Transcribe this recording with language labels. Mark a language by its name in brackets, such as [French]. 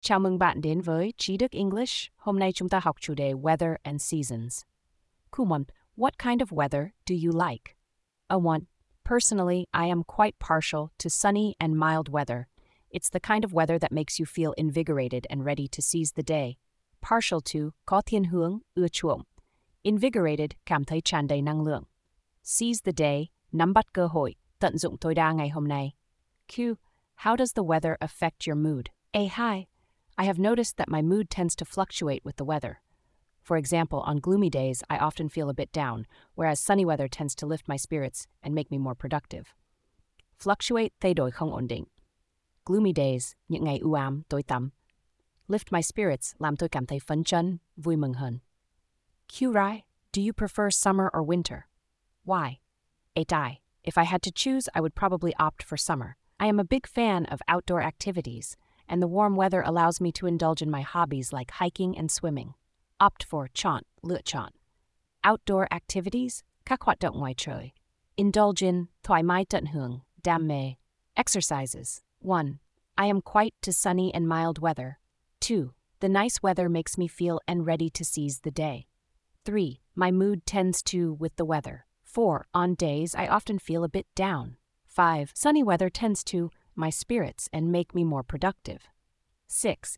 [Vietnamese] Chào mừng bạn đến với Trí Đức English. Hôm nay chúng ta học chủ đề Weather and Seasons. [English] Kumon, what kind of weather do you like? Awan, personally, I am quite partial to sunny and mild weather. It's the kind of weather that makes you feel invigorated and ready to seize the day. Partial to [Vietnamese] có thiên hướng ưa chuộng. Invigorated, cảm thấy tràn đầy năng lượng. [English] Seize the day, [Vietnamese] nắm bắt cơ hội, tận dụng tối đa ngày hôm nay. [English] Q, how does the weather affect your mood? Hi. I have noticed that my mood tends to fluctuate with the weather. For example, on gloomy days, I often feel a bit down, whereas sunny weather tends to lift my spirits and make me more productive. [Vietnamese] Fluctuate thay đổi không ổn định. [English] Gloomy days, [Vietnamese] những ngày u ám, tối tăm. [English] Lift my spirits, [Vietnamese] làm tôi cảm thấy phấn chấn, vui mừng hơn. [English] Q Rai, do you prefer summer or winter? Why? Tại, if I had to choose, I would probably opt for summer. I am a big fan of outdoor activities, and the warm weather allows me to indulge in my hobbies like hiking and swimming. Opt for [Vietnamese] chọn, lựa chọn. [English] Outdoor activities, [Vietnamese] các hoạt động ngoài trời. [English] Indulge in, [Vietnamese] thoải mái tận hưởng, đam mê. [English] Exercises. 1. I am quite to sunny and mild weather. 2. The nice weather makes me feel and ready to seize the day. 3. My mood tends to with the weather. 4. On days, I often feel a bit down. 5. Sunny weather tends to my spirits and make me more productive. 6.